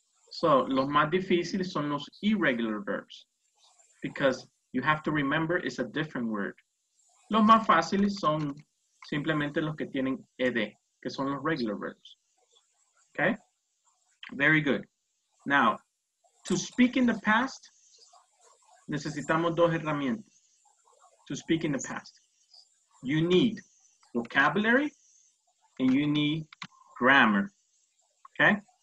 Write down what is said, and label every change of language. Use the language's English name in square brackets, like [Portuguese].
[Spanish] So, los más difíciles son los [English] irregular verbs. Because you have to remember it's a different word. [Spanish] Los más fáciles son simplemente los que tienen ed, que son los [English] regular verbs. Okay? Very good. Now, to speak in the past, [Spanish] Necesitamos dos herramientas [English] to speak in the past. You need vocabulary and you need grammar. Okay?